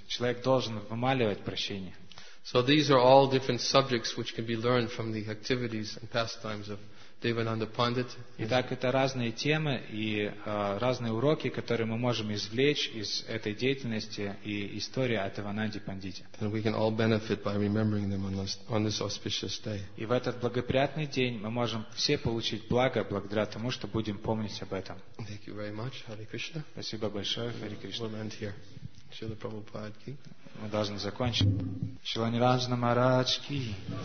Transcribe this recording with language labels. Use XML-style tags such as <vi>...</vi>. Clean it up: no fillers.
<ru>Человек должен вымаливать прощение.</ru> <en>So these are all different subjects which can be learned from the activities and pastimes of Devananda Pandit.</en> <ru>Итак, это разные темы и разные уроки, которые мы можем извлечь из этой деятельности и истории о Девананде Пандите.</ru> <en>And we can all benefit by remembering them on this auspicious day.</en> <ru>И в этот благоприятный день мы можем все получить благо благодаря тому, что будем помнить об этом.</ru> <en>Thank you very much, Hare Krishna.</en> <ru>Спасибо большое, Hare Krishna.</ru> <en>We'll end here. Shrila Prabhupada ki.</en> <ru>Мы должны закончить. Шрила Ниранджана Махарадж ки.</ru>